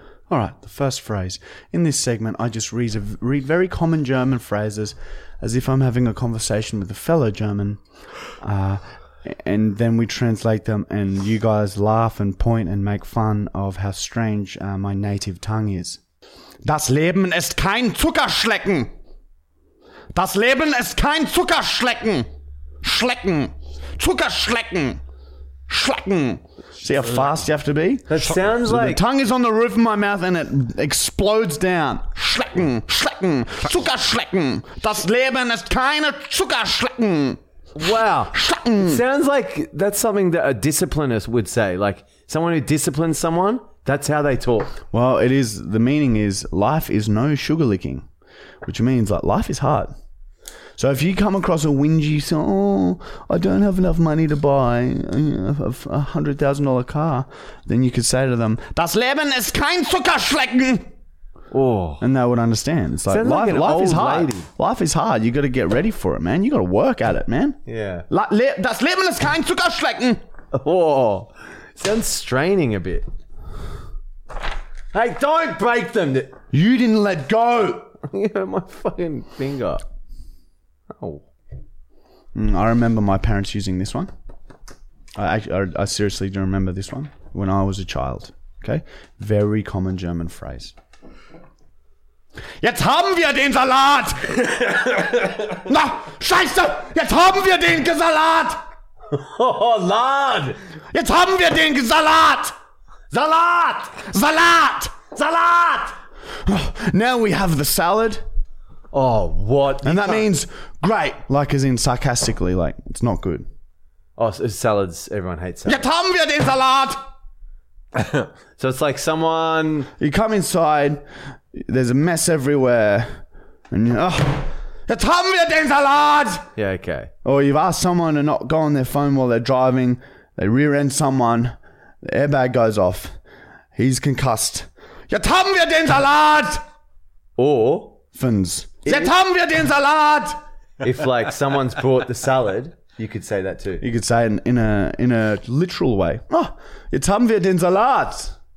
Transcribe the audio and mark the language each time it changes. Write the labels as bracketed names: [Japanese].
[English] All right, the first phrase. In this segment, I just read very common German phrases as if I'm having a conversation with a fellow German. And then we translate them and you guys laugh and point and make fun of how strange my native tongue is. [German] Das Leben ist kein Zuckerschlecken. Das Leben ist kein Zuckerschlecken. Schlecken. Zuckerschlecken. Schlecken. [English] See how fast you have to be? That sounds like... The tongue is on the roof of my mouth and it explodes down. [German] Schlecken, schlecken, Zuckerschlecken. Das Leben ist keine Zuckerschlecken. [English] Wow. [German] Schlecken. [English] Sounds like that's something that a disciplinist would say. Like someone who disciplines someone, that's how they talk. Well, it is. The meaning is life is no sugar licking, which means like life is hard. So if you come across a whingy song, oh, I don't have enough money to buy $100,000 car, then you could say to them, [German] Das Leben ist kein Zuckerschlecken. [English] Oh. And they would understand. It's like, life is hard. Lady. Life is hard. You got to get ready for it, man. You got to work at it, man. Yeah. [German] Das Leben ist kein Zuckerschlecken. [English] Oh. Sounds straining a bit. Hey, don't break them. You didn't let go. My fucking finger. Oh, I remember my parents using this one. I seriously do remember this one when I was a child. Okay, very common German phrase. [German] Jetzt haben wir den Salat. Na, Scheiße! Jetzt haben wir den Salat. [English] Oh, Lord! [German] Jetzt haben wir den Salat. Salat, Salat, Salat. [English] Now we have the salad. Oh, what? And that means great, like as in sarcastically, like it's not good. Oh, so salads, everyone hates salads. [German] Jetzt haben wir den Salat! [English] So it's like someone... You come inside, there's a mess everywhere, and you're [German] Jetzt haben wir den Salat! [English] Yeah, okay. Or you've asked someone to not go on their phone while they're driving, they rear-end someone, the airbag goes off, he's concussed. Jetzt haben wir den Salat! Or... [German] Jetzt haben wir den Salat. [English] If like someone's brought the salad, you could say that too. You could say it in a literal way. [German] Oh, jetzt haben wir den Salat.